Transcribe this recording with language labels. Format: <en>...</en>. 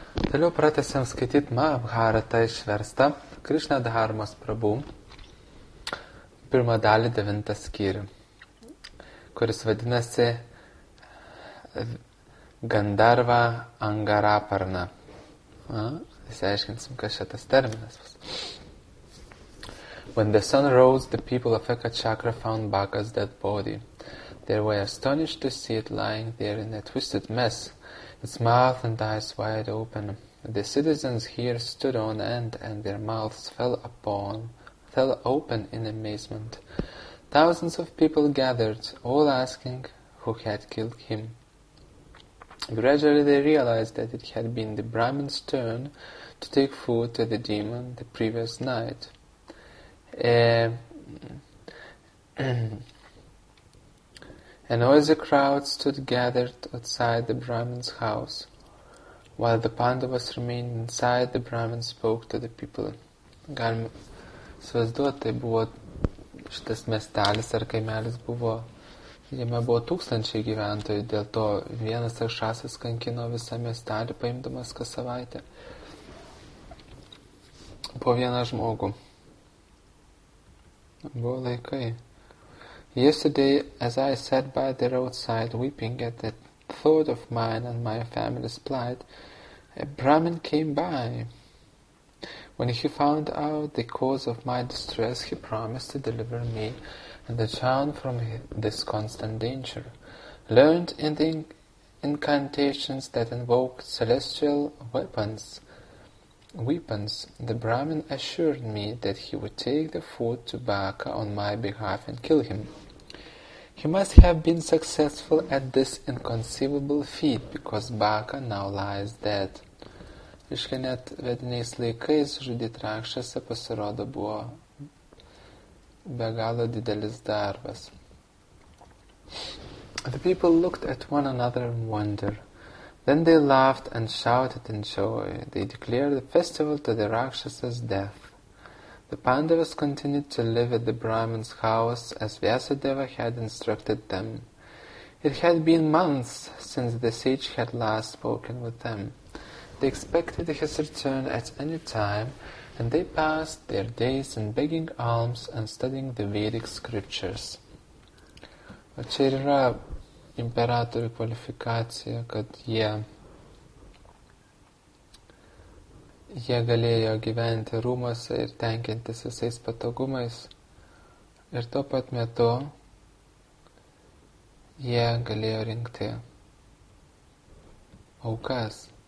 <lt>Toliau pratęsėm skaityti Mahabharata išverstą Krishna Dharmas Prabhu. Pirmą dalį, 9 skyrių, kuris vadinasi Gandharva Angaraparna. Išsiaiškinsim, kas šitas terminas bus.</lt> <en>When the sun rose, the people of Ekachakra found Baka's dead body. They were astonished to see it lying there in a twisted mess, its mouth and eyes wide open. The citizens here stood on end, and their mouths fell open in amazement. Thousands of people gathered, all asking who had killed him. Gradually they realized that it had been the Brahmin's turn to take food to the demon the previous night. A noisy crowd stood gathered outside the Brahmin's house. While the Pandavas remained inside, the Brahmin spoke to the people.</en> <lt>Galim įsivaizduoti, tai buvo šitas miestelis ar kaimelis buvo. Jame buvo tūkstančiai gyventojų, dėl to vienas akšasas kankino visą miestelį, paimdamas kas savaitę po vieną žmogų. Buvo laikai.</lt> <en>Yesterday, as I sat by the roadside weeping at the thought of mine and my family's plight, a Brahmin came by. When he found out the cause of my distress, he promised to deliver me and the town from this constant danger. Learned in the incantations that invoke celestial weapons, the Brahmin assured me that he would take the food to Baka on my behalf and kill him. He must have been successful at this inconceivable feat, because Baka now lies dead.</en> <lt>Iškai net vediniais laikais žudyti rakšasą pasirodo buvo be galo didelis darbas.</lt> <en>The people looked at one another in wonder. Then they laughed and shouted in joy. They declared the festival to the rakshasa's death. The Pandavas continued to live at the Brahmin's house as Vyasadeva had instructed them. It had been months since the sage had last spoken with them. They expected his return at any time, and they passed their days in begging alms and studying the Vedic scriptures.</en> <lt>O čia ir yra imperatorių kvalifikacija, kad jie galėjo gyventi rūmose ir tenkintis visais patogumais, ir tuo pat metu jie galėjo rinkti aukas.</lt>